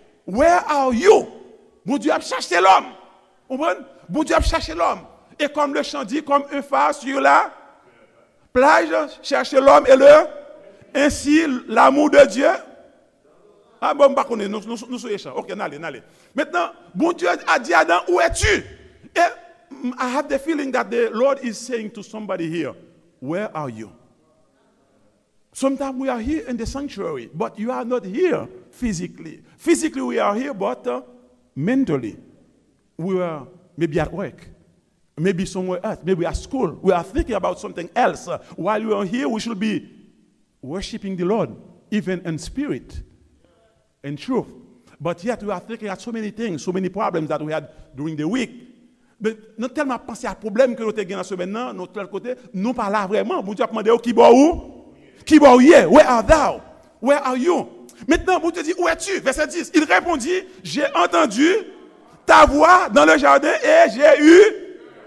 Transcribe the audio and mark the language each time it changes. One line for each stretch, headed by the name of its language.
English: Where are you?
French: Mon Dieu a cherché l'homme. Vous comprenez? Mon Dieu a cherché l'homme. Et comme le chant dit, comme un phare sur la plage, cherche l'homme et le. Ainsi, l'amour de Dieu. Ah bon, bah, nous sommes échants. Ok, n'allez. Maintenant, mon Dieu a dit à Adam, où es-tu?
English: Et I have the feeling that the Lord is saying to somebody here, where are you? Sometimes we are here in the sanctuary, but you are not here physically. Physically we are here, but mentally we are maybe at work, maybe somewhere else, maybe at school. We are thinking about something else. While we are here, we should be worshiping the Lord, even in spirit and truth. But yet we are thinking at so many things, so many problems that we had during the week.
French: Mais nous tellement pensé à problème que nous avons eu dans la semaine, notre côté, nous pas là vraiment. Bon Dieu a demandé, qui boit où? Qui boit où?
English: Where are thou? Where are you?
French: Maintenant, bon Dieu dit, où es-tu? Verset 10. Il répondit, j'ai entendu ta voix dans le jardin et j'ai eu.